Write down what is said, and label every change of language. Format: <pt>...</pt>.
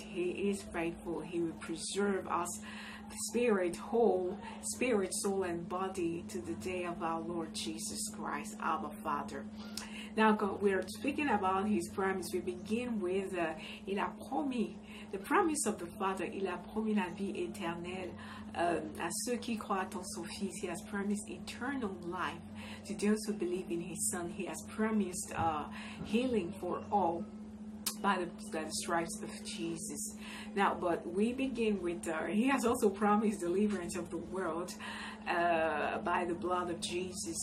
<en>He is faithful. He will preserve us spirit, whole, spirit, soul, and body to the day of our Lord Jesus Christ, our Father. Now, God, we're speaking about His promise. We begin with</en> <fr>Il a promis,</fr> <en>the promise of the Father.</en> <fr>Il a promis la vie éternelle à ceux qui croient en son Fils.</fr> <en>He has promised eternal life to those who believe in His Son. He has promised healing for all by the stripes of Jesus. Now, but we begin with He has also promised deliverance of the world by the blood of Jesus.</en>